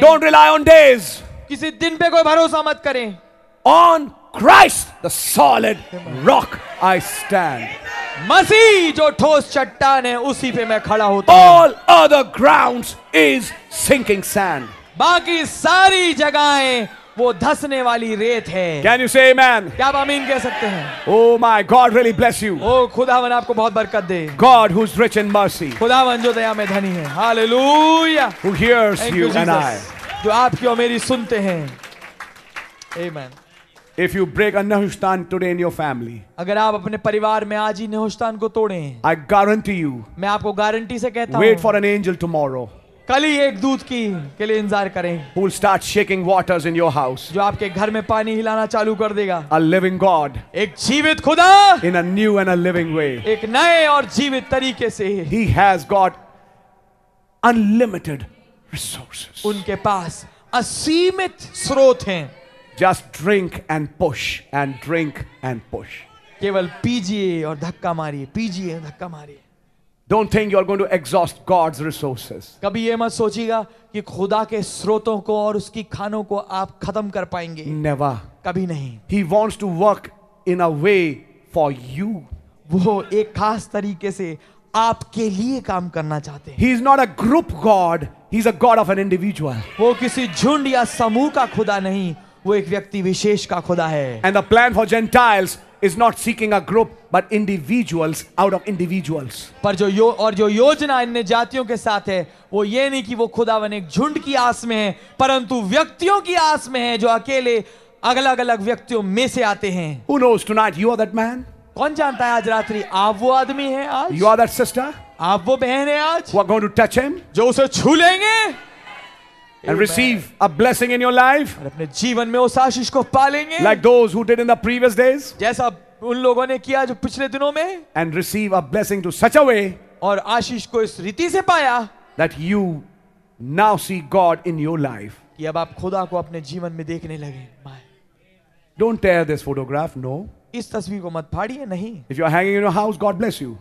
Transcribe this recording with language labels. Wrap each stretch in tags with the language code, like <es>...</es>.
<en>Don't rely on days.</en> <hi>किसी दिन पे कोई भरोसा मत करें.</hi> <en>On Christ, the solid rock, I stand.</en> <hi>मसीह जो ठोस चट्टान है उसी पे मैं खड़ा होता हूँ.</hi> <en>All other grounds is sinking sand.</en> <hi>बाकी सारी जगहें वो धसने वाली रेत है.</hi> <en>Can you say amen?</en> <hi>क्या आप आमीन कह सकते हैं?</hi> <en>Oh my God, really bless you.</en> <hi>ओ खुदावन आपको बहुत बरकत दे.</hi> <en>God who's rich in mercy.</en> <hi>खुदावन जो दया में धनी है. Hallelujah.</hi> <en>Who hears you and I?</en> <hi>जो आपकी और मेरी सुनते हैं.</hi> <en>Amen. If you break a nehushtan today in your family,</en> <hi>अगर आप अपने परिवार में आज ही नेहुस्तान को तोड़ें,</hi> <en>I guarantee you.</en> <hi>मैं आपको गारंटी से कहता हूँ.</hi> <en>Wait for an angel tomorrow.</en> <hi>कल ही एक दूत की के लिए इंतजार करें.</hi> <en>Who will start shaking waters in your house?</en> <hi>जो आपके घर में पानी हिलाना चालू कर देगा.</hi> <en>A living God.</en> <hi>एक जीवित खुदा.</hi> <en>In a new and a living way.</en> <hi>एक नए और जीवित तरीके से.</hi> <en>He has got unlimited resources.</en> <hi>उनके पास असीमित स्रोत हैं.</hi> <en>Just drink and push and drink and push.</en> <hi>केवल पीजिए और धक्का मारिए, पीजिए और धक्का मारिए.</hi> <en>Don't think you are going to exhaust God's resources.</en> <hi>कभी ये मत सोचिएगा कि खुदा के स्रोतों को और उसकी खानों को आप खत्म कर पाएंगे.</hi> <en>Never.</en> <hi>कभी नहीं.</hi> <en>He wants to work in a way for you.</en> <hi>वो एक खास तरीके से आपके लिए काम करना चाहते हैं.</hi> <en>He is not a group God. He is a God of an individual.</en> <hi>वो किसी झुंड या समूह का खुदा नहीं. वो एक व्यक्ति विशेष का खुदा है.</hi> <en>And the plan for Gentiles is not seeking a group but individuals out of individuals.</en> <hi>पर जो और जो योजना अन्य जातियों के साथ है वो ये नहीं कि वो खुदावन एक झुंड की आस में है परंतु व्यक्तियों की आस में है जो अकेले अलग अलग व्यक्तियों में से आते हैं.</hi> <en>Who knows tonight you are that man?</en> <hi>कौन जानता है आज रात्रि आप वो आदमी है आज?</hi> <en>You are that sister?</en> <hi>आप वो बहन है आज?</hi> <en>Who are going to touch him?</en> <hi>जो उसे छू लेंगे.</hi> <en>And Amen. Receive a blessing in your life.</en> <hi>और अपने जीवन में उस आशीष को पालेंगे.</hi> <en>Like those who did in the previous days.</en> <hi>जैसा उन लोगों ने किया जो पिछले दिनों में.</hi> <en>And receive a blessing to such a way.</en> <hi>और आशीष को इस रीति से पाया.</hi> <en>That you now see God in your life.</en> <hi>कि अब आप खुदा को अपने जीवन में देखने लगे.</hi> <en>Don't tear this photograph. No.</en> <hi>इस तस्वीर को मत फाड़िए. नहीं.</hi> <en>If you are hanging in your house, God bless you.</en>